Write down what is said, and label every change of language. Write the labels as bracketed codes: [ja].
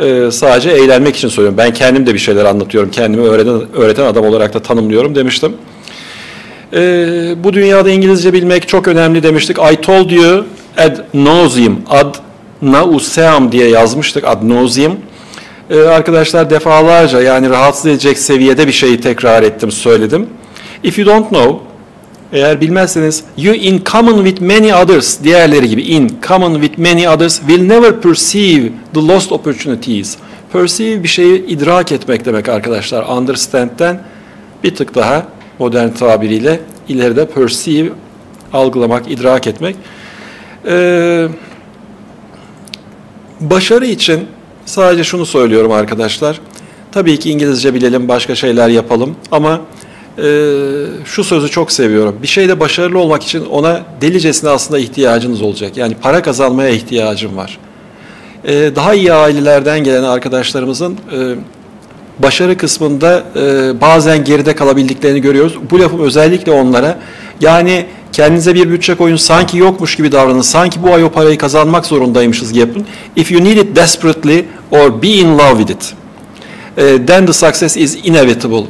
[tr] Sadece eğlenmek için söylüyorum. Ben kendim de bir şeyler anlatıyorum. Kendimi öğreten adam olarak da tanımlıyorum demiştim. Bu dünyada İngilizce bilmek çok önemli demiştik. I told you ad nauseam, ad nauseam diye yazmıştık. Ad nauseam. Arkadaşlar defalarca yani rahatsız edecek seviyede bir şeyi tekrar ettim, söyledim. [en] If you don't know, [tr] eğer bilmezseniz, [en] you in common with many others, [tr] diğerleri gibi [en] in common with many others will never perceive the lost opportunities. [tr] Perceive bir şeyi idrak etmek demek arkadaşlar. Understand'den bir tık daha modern tabiriyle ileride perceive, algılamak, idrak etmek. Başarı için sadece şunu söylüyorum arkadaşlar. Tabii ki İngilizce bilelim, başka şeyler yapalım. Ama şu sözü çok seviyorum. Bir şeyde başarılı olmak için ona delicesine aslında ihtiyacınız olacak. Yani para kazanmaya ihtiyacım var. Daha iyi ailelerden gelen arkadaşlarımızın başarı kısmında bazen geride kalabildiklerini görüyoruz. Bu lafım özellikle onlara. Yani kendinize bir bütçe koyun, sanki yokmuş gibi davranın, sanki bu ay o parayı kazanmak zorundaymışız gibi yapın. [en] If you need it desperately or be in love with it, then the success is inevitable.